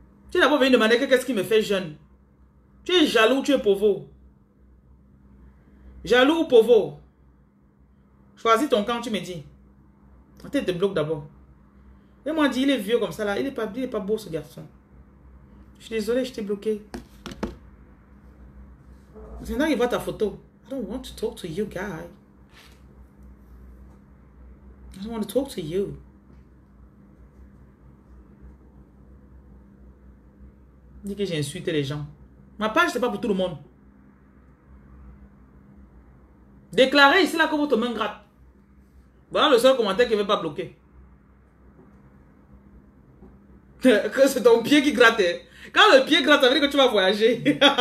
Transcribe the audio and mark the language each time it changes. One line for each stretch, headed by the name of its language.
French: Tu es d'abord venu demander que qu'est-ce qui me fait jeune. Tu es jaloux, tu es pauvre. Jaloux ou pauvre? Choisis ton camp, tu me dis. Attends, te bloque d'abord. Et moi, dis, il est vieux comme ça là. Il est pas beau ce garçon. Je suis désolé, je t'ai bloqué. Maintenant, il voit ta photo.
English: I don't want to talk to you, guy. I don't want to talk to you.
French: Il dit que j'ai insulté les gens. Ma page, c'est pas pour tout le monde. Déclarez ici là que votre main gratte. Voilà le seul commentaire qui ne veut pas bloquer. Que c'est ton pied qui gratte. Quand le pied gratte, ça veut dire que tu vas voyager.